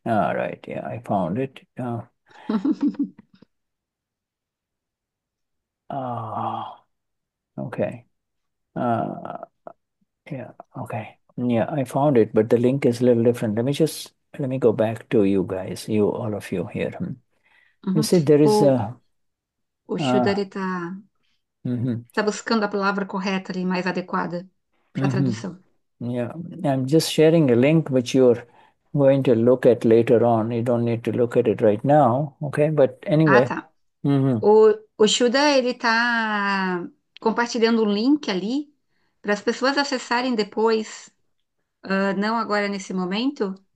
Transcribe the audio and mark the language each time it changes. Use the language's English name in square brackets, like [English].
[English] All right, yeah, I found it. I found it, but the link is a little different. Let me go back to you guys, you all of you here. You see, there is [Portuguese] O a Shudari está buscando a palavra correta ali, mais adequada para a tradução. [English] I'm just sharing a link which you're going to look at later on. You don't need to look at it right now, okay? But Ah, anyway. [Portuguese] tá. O Shuda, ele está compartilhando um link ali para as pessoas acessarem depois, não agora nesse momento.